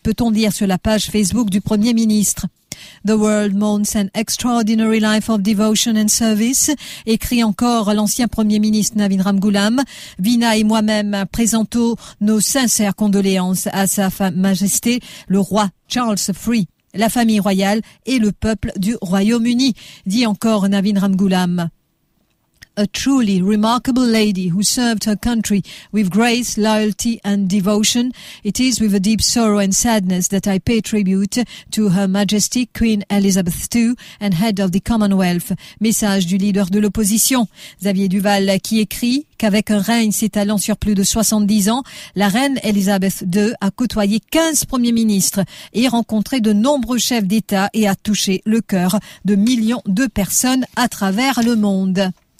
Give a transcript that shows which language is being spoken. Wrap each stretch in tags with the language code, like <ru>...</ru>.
<fr>Peut-on lire sur la page Facebook du Premier ministre?</fr> <en>The world mourns an extraordinary life of devotion and service,</en> <fr>écrit encore l'ancien Premier ministre Navin Ramgoolam. Vina et moi-même présentons nos sincères condoléances à Sa Majesté, le roi Charles III, la famille royale et le peuple du Royaume-Uni, dit encore Navin Ramgoolam.</fr> <en>a truly remarkable lady who served her country with grace, loyalty and devotion. It is with a deep sorrow and sadness that I pay tribute to Her Majesty Queen Elizabeth II and Head of the Commonwealth.</en> <fr>Message du leader de l'opposition, Xavier Duval, qui écrit qu'avec un règne s'étalant sur plus de 70 ans, la reine Elizabeth II a côtoyé 15 premiers ministres et rencontré de nombreux chefs d'État et a touché le cœur de millions de personnes à travers le monde.</fr>